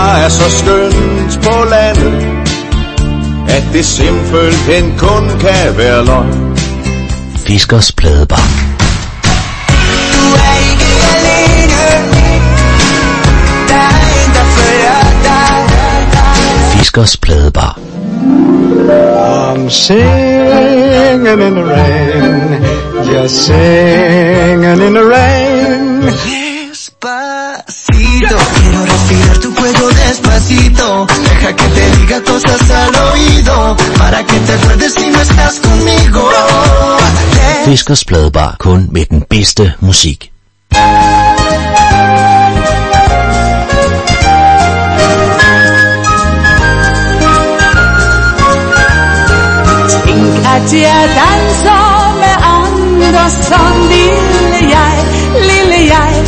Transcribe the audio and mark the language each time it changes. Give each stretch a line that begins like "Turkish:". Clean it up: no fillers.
Danish: Så skønt på landet, at det simpelthen kun kan være løgn. Fiskers pladebar. Du er ikke alene, der er en, der følger dig. Fiskers pladebar.
English: I'm singing in the rain, just singing in the rain.
Spanish: Despacito, quiero respirar tu cuello despacito. Deja que te diga cosas al oído, para que te acuerdes si no estás conmigo.
Danish: Fiskers pladebar, kun med den bedste musik. Tænk at jeg danser med Andersson, lille jeg, lille jeg.